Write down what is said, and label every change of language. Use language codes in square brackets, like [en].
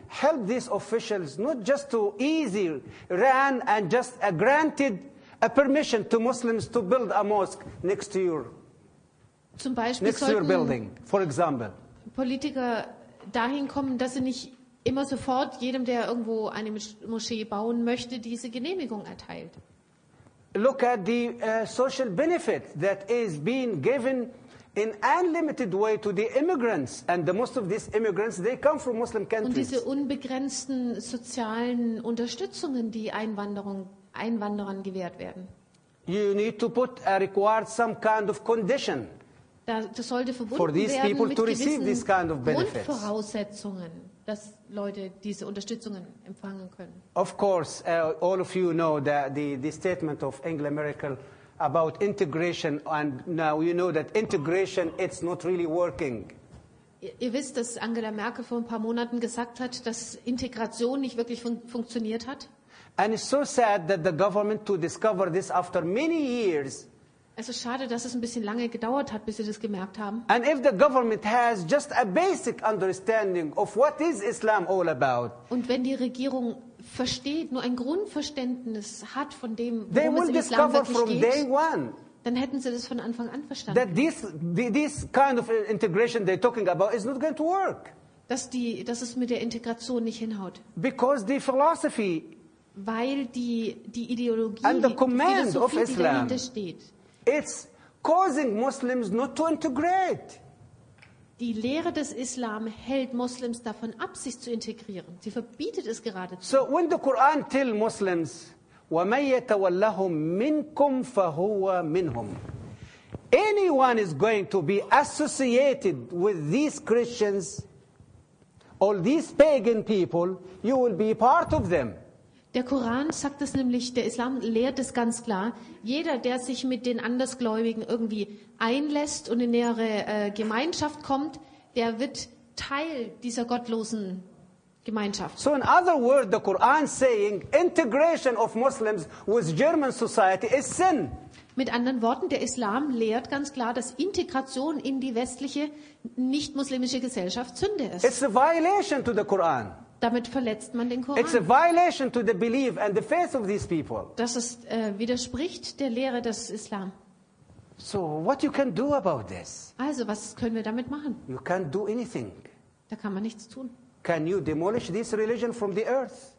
[en] help these officials not just to easy run and just a granted a permission to Muslims to build a mosque next to your, [de] zum Beispiel [en] next to your building, for example. [de] Politiker dahin kommen, dass sie nicht immer sofort jedem, der irgendwo eine Moschee bauen möchte, diese Genehmigung erteilt. [en] Look at the social benefit that is being given in unlimited way to the immigrants, and the most of these immigrants, they come from Muslim countries. [de] Und diese unbegrenzten sozialen Unterstützungen, die Einwanderern gewährt werden. [en] You need to put a required some kind of condition. [de] Das sollte verbunden werden mit gewissen [en] kind of [de] Grundvoraussetzungen, dass Leute diese Unterstützungen empfangen können. [en] Of course, all of you know that the statement of Angela Merkel about integration, and now you know that integration, it's not really working. [de] Ihr wisst, dass Angela Merkel vor ein paar Monaten gesagt hat, dass Integration nicht wirklich funktioniert hat. [en] And it's so sad that the government to discover this after many years. [de] Es ist schade, dass es ein bisschen lange gedauert hat, bis sie das gemerkt haben. [en] And if the government has just a basic understanding of what is Islam all about. [de] Und wenn die Regierung versteht, nur ein Grundverständnis hat von dem, worum es im Islam wirklich geht, dann hätten sie das von Anfang an verstanden. [en] That this kind of integration they're talking about is not going to work. [de] Dass es mit der Integration nicht hinhaut. [en] Because the philosophy, [de] weil die Ideologie [en] and the command [de] die [en] of Islam, [de] dahinter steht, [en] it's causing Muslims not to integrate. [de] Die Lehre des Islam hält Muslims davon ab, sich zu integrieren. Sie verbietet es geradezu. [en] So when the Quran tell Muslims, [ar] وَمَن يَتَوَلَّهُم مِّنكُمْ فَهُوَ مِّنْهُمْ. [en] Anyone is going to be associated with these Christians, all these pagan people, you will be part of them. [de] Der Koran sagt es nämlich, der Islam lehrt es ganz klar. Jeder, der sich mit den Andersgläubigen irgendwie einlässt und in nähere Gemeinschaft kommt, der wird Teil dieser gottlosen Gemeinschaft. [en] So in other words, the Quran saying, integration of Muslims with German society is sin. [de] Mit anderen Worten, der Islam lehrt ganz klar, dass Integration in die westliche, nicht-muslimische Gesellschaft Sünde ist. [en] It's a violation to the Quran. [de] Damit verletzt man den Koran. [en] It's a violation to the belief and the faith of these people. [de] Das ist, widerspricht der Lehre des Islam. [en] So what you can do about this? [de] Also, was können wir damit machen? [en] You can't do anything. [de] Da kann man nichts tun. [en] Can you demolish this religion from the earth?